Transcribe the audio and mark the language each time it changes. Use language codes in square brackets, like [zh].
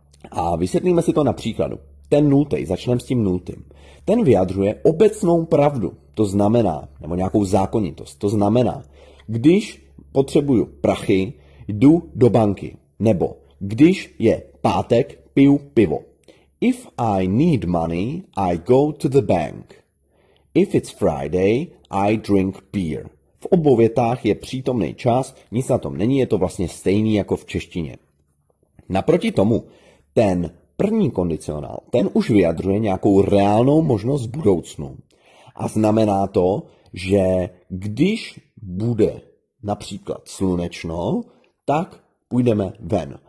[cs] A vysvětlíme si to na příkladu. Ten 0., začneme s tím 0. Ten vyjadřuje obecnou pravdu, to znamená, nebo nějakou zákonitost. To znamená, když potřebuju prachy, jdu do banky. Nebo když je pátek, piju pivo. [en] If I need money, I go to the bank. If it's Friday, I drink beer. [cs] V obou větách je přítomný čas, nic na tom není, je to vlastně stejný jako v češtině. Naproti tomu, ten první kondicionál, ten už vyjadřuje nějakou reálnou možnost v budoucnu. A znamená to, že když bude například slunečno, tak půjdeme ven.